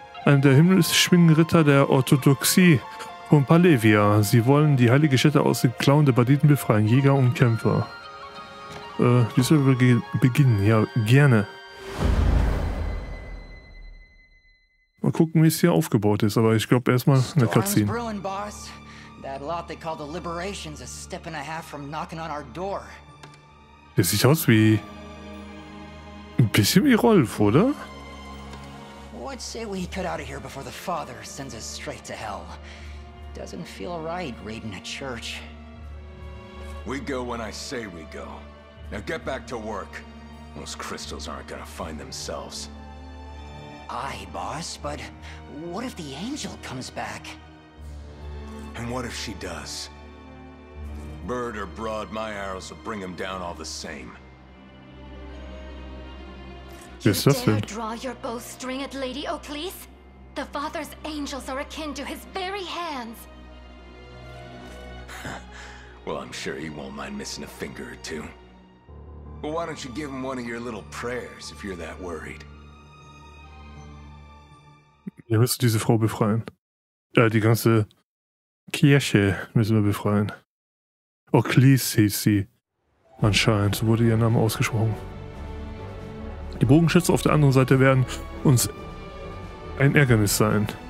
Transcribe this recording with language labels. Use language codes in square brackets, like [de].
[de] Einer der himmelschwingenden Ritter der Orthodoxie von Palevia. Sie wollen die heilige Stätte aus den Klauen der Banditen befreien. Jäger und Kämpfer. Wie soll wir beginnen? Ja, gerne. Mal gucken, wie es hier aufgebaut ist, aber ich glaube erstmal eine Cutscene. [en] Brewing, boss. That lot they call the Liberations is a step and a half from knocking on our door. [de] Der sieht aus wie ein bisschen wie Rolf, oder? [en] What say we cut out of here before the father sends us straight to hell? Doesn't feel right raiding a church. We go when I say we go. Now get back to work. Those crystals aren't gonna find themselves. Aye, boss, but what if the angel comes back? And what if she does? Bird or broad, my arrows will bring him down all the same. Yes, you dare draw your bowstring at Lady Oakleaf? The father's angels are akin to his very hands. Well, I'm sure he won't mind missing a finger or two. But why don't you give him one of your little prayers if you're that worried? [de] Wir müssen diese Frau befreien. Die ganze Kirche müssen wir befreien. Oklis hieß sie. Anscheinend, so wurde ihr Name ausgesprochen. Die Bogenschützer auf der anderen Seite werden uns ein Ärgernis sein.